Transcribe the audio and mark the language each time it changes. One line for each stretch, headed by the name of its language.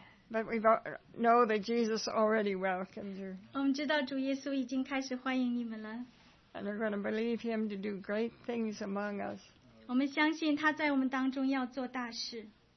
English: But we know that Jesus already welcomed you.
Chinese: 我们知道主耶稣已经开始欢迎你们了。
English: And we're going to believe him to do great things among us.
Chinese: 我们相信他在我们当中要做大事。